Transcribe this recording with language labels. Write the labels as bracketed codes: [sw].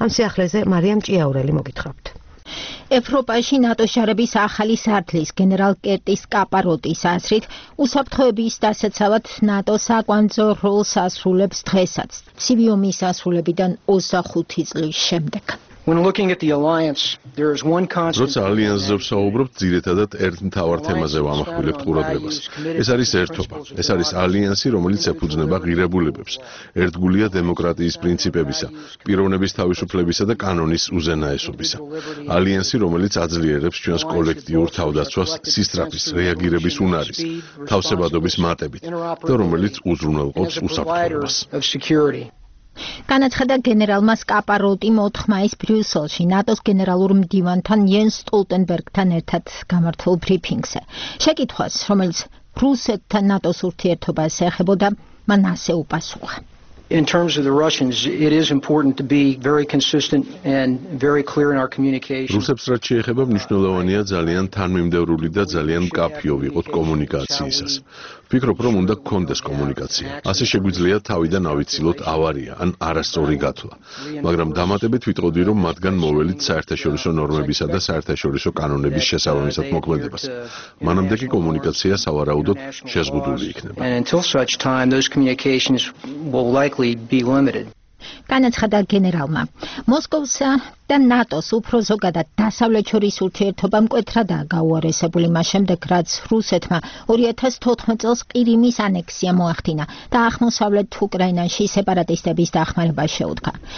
[ka] ამ სიახლეზე მარიამ ჭიაურელი მოგითხრობთ. ევროპაში ნატოს ჯარების ახალი სარდლის გენერალ კერტის კაპაროტის აზრით, უსაფრთხოების დასაცავად ნატო საკვანძო როლს ასრულებს დღესაც, ცივი ომის ასრულებიდან 25 წლის შემდეგ. [en] When looking at the alliance there is one constant. [ka] როცა ალიანსზე ვსაუბრობთ, ძირითადად ერთ მთავარ თემაზე ვამახვილებთ ყურადღებას. ეს არის ერთობა. ეს არის ალიანსი, რომელიც ეფუძნება ღირებულებებს. ერთგულია დემოკრატიის პრინციპებისა, პიროვნების თავისუფლებისა და კანონის უზენაესობისა. ალიანსი, რომელიც აძლიერებს ჩვენს კოლექტიურ თავდაცვას სისწრაფის რეაგირების უნარის, თავსებადობის მატებით და რომელიც უზრუნველყოფს უსაფრთხოებას. განაცხადა გენერალმა სკაპაროტი 4 მაისს ბრიუსელში ნატოს გენერალურ მდივანთან იენს სტოლტენბერგთან ერთად გამართულ ბრიფინგზე. შეკითხვას, რომელიც რუსეთთან ნატოს ურთიერთობას ეხებოდა, მან ასე უპასუხა. [en] In terms of the Russians, it is important to be very consistent and very clear in our communication. [ka] რუსებს რაც შეეხება, მნიშვნელოვანია ძალიან თანმიმდევრული და ძალიან მკაფიო ვიყოთ კომუნიკაციისას. ვფიქრობ, რომ უნდა გქონდეს კომუნიკაცია. ასე შეგვიძლია თავიდან ავიცილოთ ავარია ან არასწორი გათვლა. მაგრამ დამატებით ვიტყოდი, რომ მათგან მოველით საერთაშორისო ნორმებისა და საერთაშორისო კანონების შესაბამისად მოქმედებას. მანამდე კი კომუნიკაცია სავარაუდოდ შეზღუდული იქნება. [en] And until such time those communications will likely be limited. [ka] განაცხადა გენერალმა, მოსკოვსა და ნატოს უფრო ზოგადად დასავლეთ შორის ურთიერთობა მკვეთრად გაუარესებული მას შემდეგ, რაც რუსეთმა 2014 წელს ყირიმის ანექსია მოახდინა და აღმოსავლეთ უკრაინაში სეპარატისტების დახმარება შეუდგა.